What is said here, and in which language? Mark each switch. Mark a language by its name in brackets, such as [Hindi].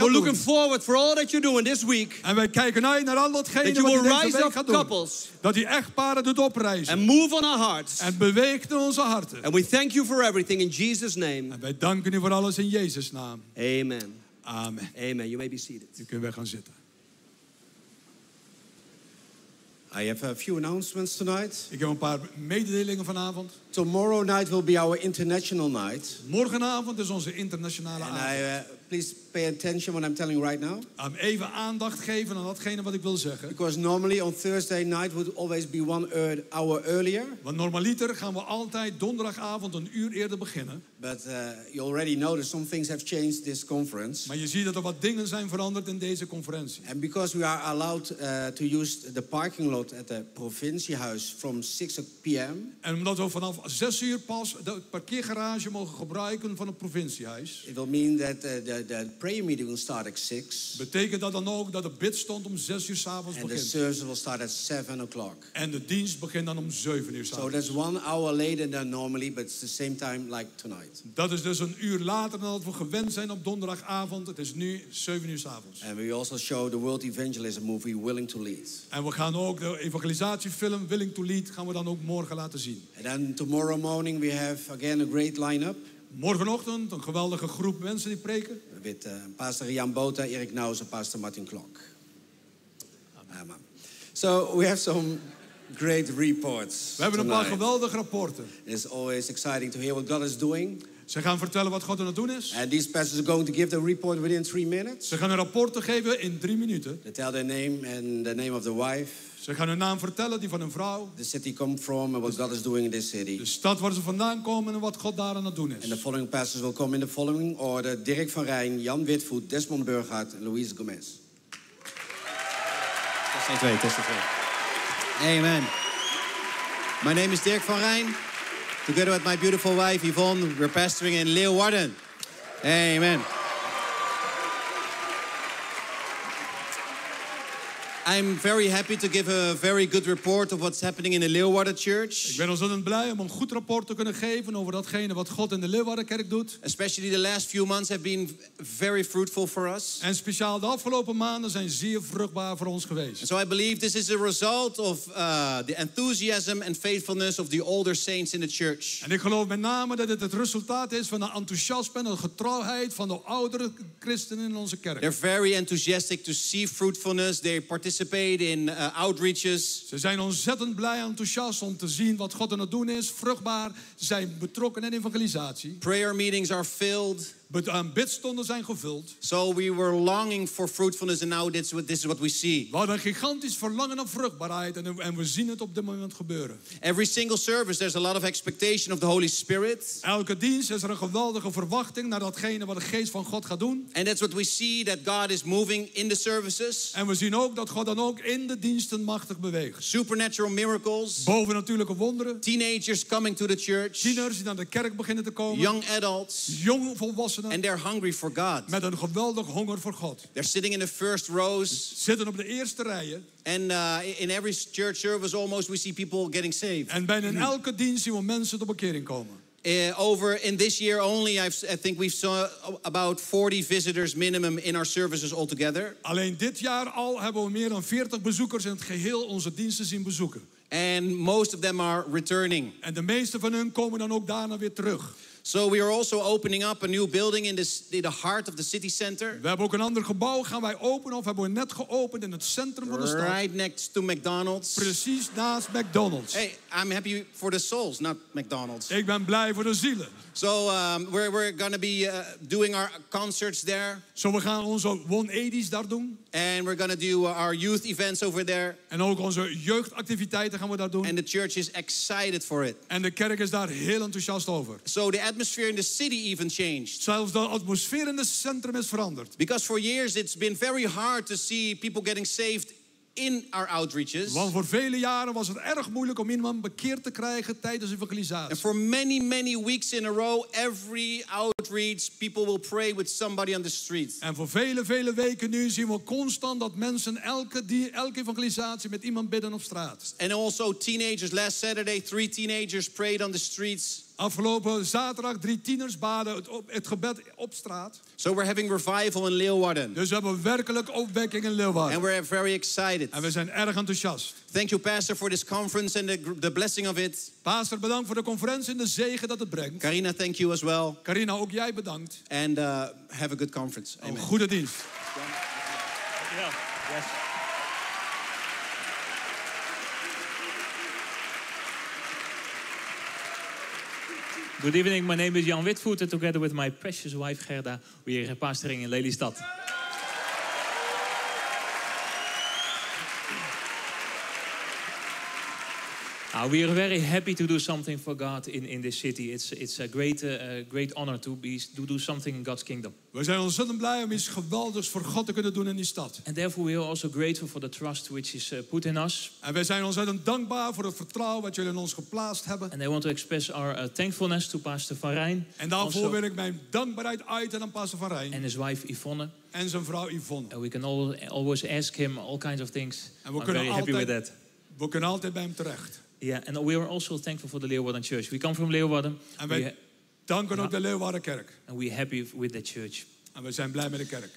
[English] we're looking forward for all that you're doing this week. [Dutch] En wij kijken uit naar al datgene [English] that you [Dutch] wat [English] will rise [Dutch] deze week gaat [English] couples. [Dutch] Doen. Dat u echtparen doet oprijzen. [English] And move on our hearts. [Dutch] En beweegt in onze harten. [English] And we thank you for everything in Jesus' name. [Dutch] En wij danken u voor alles in Jezus' naam. Amen. Amen. [English] Amen. You may be seated. [Dutch] U kunt weer gaan zitten. [English] I have a few announcements tonight. [Dutch] Ik heb een paar mededelingen vanavond. [English] Tomorrow night will be our international night. [Dutch] Morgenavond is onze internationale [English] And [Dutch] avond. [English] Please pay attention what I'm telling right now. [Dutch] Even aandacht geven aan datgene wat ik wil zeggen. [English] Because normally on Thursday night would always be one hour earlier. [Dutch] Want normaliter gaan we altijd donderdagavond een uur eerder beginnen. [English] But you already noticed some things have changed this conference. [Dutch] Maar je ziet dat er wat dingen zijn veranderd in deze conferentie. [English] And because we are allowed to use the parking lot at the provinciehuis from 6 p.m. [Dutch] En omdat we vanaf 6 uur pas de parkeergarage mogen gebruiken van het provinciehuis. [English] It will mean that the prayer meeting will start at 6. [Dutch] Betekent dat dan ook dat de bidstond om 6 uur 's avonds begint. [English] And the service will start at 7 o'clock. [Dutch] En de dienst begint dan om 7 uur 's avonds. [English] So that's 1 hour later than normally, but it's the same time like tonight. [Dutch] Dat is dus een uur later dan dat we gewend zijn op donderdagavond. Het is nu 7 uur 's avonds. [English] And we also show the world evangelism movie Willing to Lead. [Dutch] En we gaan ook de evangelisatiefilm Willing to Lead gaan we dan ook morgen laten zien. [English] And then tomorrow morning we have again a great lineup. [Dutch] Morgenochtend een geweldige groep mensen die preken. [English] With Pastor Jan Bota, Erik Nauws [Dutch] en [English] Pastor Martin Klok. Amen. So we have some great reports. [Dutch] We hebben [English] tonight [Dutch] een paar geweldige rapporten. [English] It's always exciting to hear what God is doing. [Dutch] Ze gaan vertellen wat God aan het doen is. [English] And these pastors are going to give the report within 3 minutes. [Dutch] Ze gaan een rapport geven in 3 minuten. [English] They tell their name and the name of the wife. [Dutch] Ze gaan hun naam vertellen, die van hun vrouw. [English] The city come from and what God is doing in this city. [Dutch] De stad waar ze vandaan komen en wat God daar aan het doen is. [English] And the following pastors will come in the following order: Dirk van Rijn, Jan Witvoet, Desmond Burghardt [Dutch] en [English] Louise Gomez. Test 1, 2. Amen. My name is Dirk van Rijn. Together with my beautiful wife Yvonne, we're pastoring in Leeuwarden. Amen. I'm very happy to give a very good report of what's happening in the Leeuwarden Church. [Dutch] Ik ben ontzettend blij om een goed rapport te kunnen geven over datgene wat God in de Leeuwardenkerk doet. [English] Especially the last few months have been very fruitful for us. [Dutch] En speciaal de afgelopen maanden zijn zeer vruchtbaar voor ons geweest. [English] And so I believe this is a result of the enthusiasm and faithfulness of the older saints in the church. [Dutch] En ik geloof met name dat dit het resultaat is van de enthousiasme en de getrouwheid van de oudere christenen in onze kerk. [English] They're very enthusiastic to see fruitfulness. They participate in outreaches. [Dutch] Ze zijn ontzettend blij en enthousiast om te zien wat God aan het doen is. Vruchtbaar zijn betrokken in evangelisatie. [English] Prayer meetings are filled. But [Dutch] bidstonden zijn gevuld. [English] So we were longing for fruitfulness and now this is what we see. [Dutch] We hadden een gigantisch verlangen naar vruchtbaarheid en we zien het op dit moment gebeuren. [English] Every single service there's a lot of expectation of the Holy Spirit. [Dutch] Elke dienst is er een geweldige verwachting naar datgene wat de Geest van God gaat doen. [English] And that's what we see, that God is moving in the services. [Dutch] En we zien ook dat God dan ook in de diensten machtig beweegt. [English] Supernatural miracles. [Dutch] Bovennatuurlijke wonderen. [English] Teenagers coming to the church. [Dutch] Tieners die naar de kerk beginnen te komen. [English] Young adults. [Dutch] Jong volwassenen. [English] And they're hungry for God. [Dutch] Met een geweldig honger voor God. [English] They're sitting in the first rows. [Dutch] Zitten op de eerste rijen. [English] And in every church service, almost we see people getting saved. [Dutch] En bijna in elke dienst zien we mensen tot bekering komen. [English] Over in this year only, I think we've saw about 40 visitors minimum in our services altogether. [Dutch] Alleen dit jaar al hebben we meer dan 40 bezoekers in het geheel onze diensten zien bezoeken. [English] And most of them are returning. [Dutch] En de meeste van hun komen dan ook daarna weer terug. [English] So we are also opening up a new building in the heart of the city center. [Dutch] We hebben ook een ander gebouw gaan wij openen of hebben we net geopend in het centrum van de stad. [English] Right next to McDonald's. [Dutch] Precies naast McDonald's. [English] Hey, I'm happy for the souls, not McDonald's. [Dutch] Ik ben blij voor de zielen. [English] So we're gonna be doing our concerts there. [Dutch] Zo we gaan onze 180's daar doen. [English] And we're gonna do our youth events over there. [Dutch] En ook onze jeugdactiviteiten gaan we daar doen. [English] And the church is excited for it. [Dutch] En de kerk is daar heel enthousiast over. [English] So the atmosphere in the city even changed. [Dutch] Zelfs de atmosfeer in het centrum is veranderd. [English] Because for years it's been very hard to see people getting saved in our outreaches. [Dutch] Want voor vele jaren was het erg moeilijk om iemand bekeerd te krijgen tijdens evangelisatie. [English] And for many, many weeks in a row, every outreach, people will pray with somebody on the street. [Dutch] En voor vele, vele weken nu zien we constant dat mensen elke evangelisatie met iemand bidden op straat. [English] And also teenagers, last Saturday, 3 teenagers prayed on the streets. [Dutch] Afgelopen zaterdag 3 tieners baden het gebed op straat. [English] So we're having revival in Leeuwarden. [Dutch] Dus we hebben werkelijk opwekking in Leeuwarden. [English] And we're very excited. [Dutch] En we zijn erg enthousiast. [English] Thank you, Pastor, for this conference and the blessing of it. [Dutch] Pastor, bedankt voor de conferentie en de zegen dat het brengt. [English] Carina, thank you as well. [Dutch] Carina, ook jij bedankt. [English] And have a good conference. Amen. [Dutch] Een goede dienst. Ja. [English] Yes. Good evening, my name is Jan Witvoet and together with my precious wife Gerda, we are pastoring in Lelystad. We are very happy to do something for God in this city. It's a great honor to do something in God's kingdom. [Dutch] We zijn ontzettend blij om iets geweldigs voor God te kunnen doen in die stad. [English] And therefore we are also grateful for the trust which is put in us. [Dutch] En wij zijn ontzettend dankbaar voor het vertrouwen wat jullie in ons geplaatst hebben. [English] And I want to express our thankfulness to Pastor Van Rijn. [Dutch] En daarvoor wil ik mijn dankbaarheid uiten aan Pastor Van Rijn. [English] And his wife Yvonne. [Dutch] En zijn vrouw Yvonne. [English] And we can always ask him all kinds of things. And we're very happy with that. [Dutch] We kunnen altijd bij hem terecht. [English] Yeah, and we are also thankful for the Leeuwarden Church. We come from Leeuwarden. [Dutch] En wij danken ook de Leeuwarden Kerk. [English] And we're happy with the church. [Dutch] En we zijn blij met de kerk.